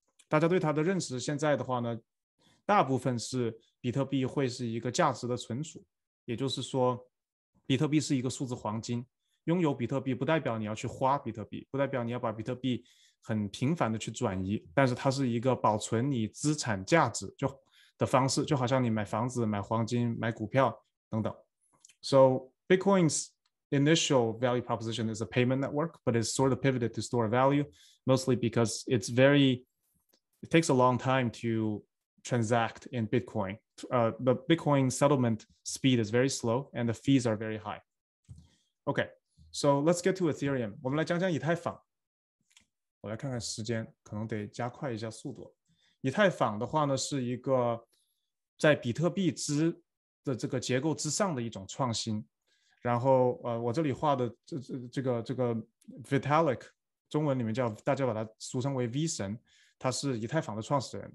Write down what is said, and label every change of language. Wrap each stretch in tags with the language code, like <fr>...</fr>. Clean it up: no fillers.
<zh>大家对它的认识现在的话呢，大部分是比特币会是一个价值的存储，也就是说比特币是一个数字黄金。拥有比特币不代表你要去花比特币，不代表你要把比特币很频繁的去转移，但是它是一个保存你资产价值就的方式，就好像你买房子、买黄金、买股票等等。</zh> <en>So Bitcoin's initial value proposition is a payment network, but it's sort of pivoted to store value, mostly because it takes a long time to transact in Bitcoin. The Bitcoin settlement speed is very slow, and the fees are very high. Okay, so let's get to Ethereum.</en> <zh>我们来讲讲以太坊。我来看看时间，可能得加快一下速度。以太坊的话呢，是一个在比特币之的这个结构之上的一种创新。然后，我这里画的这个 Vitalik， 中文里面叫大家把它俗称为 V 神，他是以太坊的创始人。</zh>